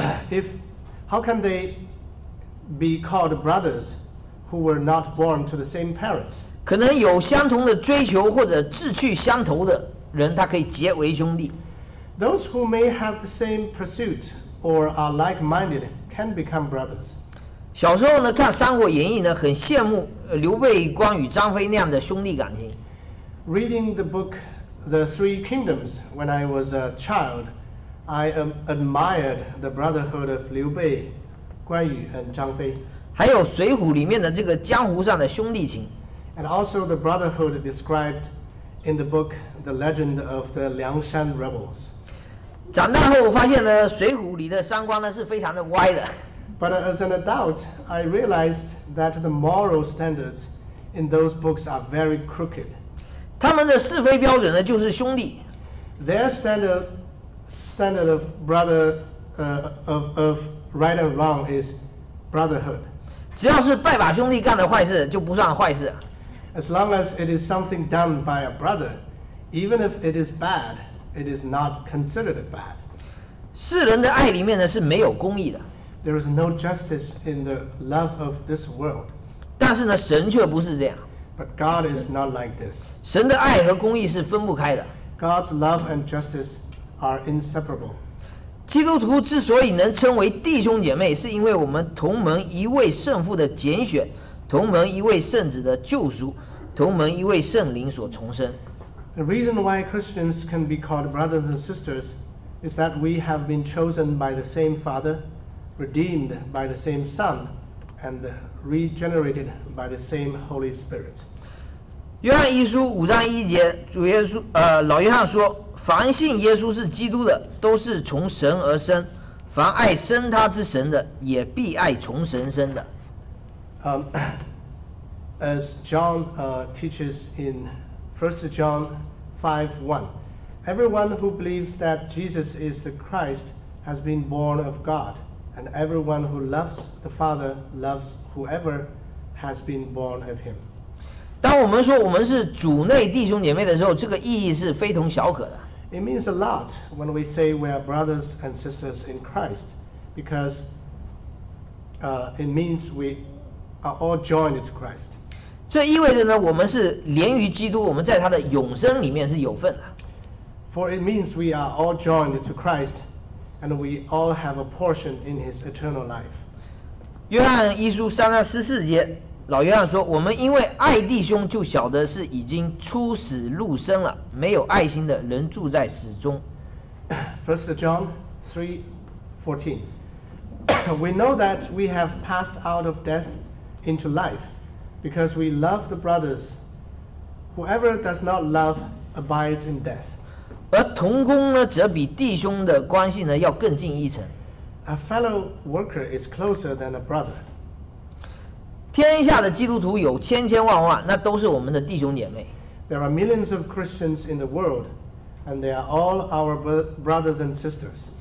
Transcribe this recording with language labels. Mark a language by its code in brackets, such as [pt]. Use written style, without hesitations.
[en] If how can they be called brothers who were not born to the same parents? [zh] 可能有相同的追求或者志趣相投的人，他可以结为兄弟。 [en] Those who may have the same pursuit or are like-minded can become brothers. [zh] 小时候呢，看《三国演义》呢，很羡慕刘备、关羽、张飞那样的兄弟感情。 [en] Reading the book The Three Kingdoms when I was a child, I admired the brotherhood of Liu Bei, 关羽 and 张飞。 [zh] 还有《水浒》里面的这个江湖上的兄弟情。 [en] And also the brotherhood described in the book The Legend of the Liang Shan Rebels. [zh] 长大后我发现呢，《水浒》里的三观呢是非常的歪的。 [en] But as an adult, I realized that the moral standards in those books are very crooked. [zh] 他们的是非标准呢就是兄弟。 [en] Their standard of brother, of right and wrong is brotherhood. [zh] 只要是拜把兄弟干的坏事就不算坏事。 [en] As long as it is something done by a brother, even if it is bad, it is not considered bad. [zh] 世人的爱里面呢是没有公义的。 [en] There is no justice in the love of this world. [zh] 但是呢，神却不是这样。 [en] But God is not like this. [zh] 神的爱和公义是分不开的。 [en] God's love and justice are inseparable. [zh] 基督徒之所以能称为弟兄姐妹，是因为我们同门一位圣父的拣选。同门一位圣子的救赎，同门一位圣灵所重生。 [en] The reason why Christians can be called brothers and sisters is that we have been chosen by the same Father, redeemed by the same Son, and regenerated by the same Holy Spirit. [zh] 约翰一书五章一节，主耶稣，老约翰说：“凡信耶稣是基督的，都是从神而生；凡爱生他之神的，也必爱从神生的。” [en] As John teaches in 1 John 5:1, everyone who believes that Jesus is the Christ has been born of God, and everyone who loves the Father loves whoever has been born of him. [zh] 当我们说我们是主内弟兄姐妹的时候，这个意义是非同小可的。 [en] It means a lot when we say we are brothers and sisters in Christ, because it means we. Are all joined to Christ. [zh] 这意味着呢，我们是连于基督，我们在他的永生里面是有份的。 [en] For it means we are all joined to Christ, and we all have a portion in His eternal life. [zh] 约翰一书三章十四节，老约翰说：“我们因为爱弟兄，就晓得是已经出死入生了。没有爱心的人住在死中。” [en] First John 3:14. we know that we have passed out of death into life because we love the brothers. Whoever does not love abides in death. [zh] 而同工呢，则比弟兄的关系呢要更近一层。 [en] A fellow worker is closer than a brother. [zh] 天下的基督徒有千千万万，那都是我们的弟兄姐妹。 [en] There are millions of Christians in the world, and they are all our brothers and sisters.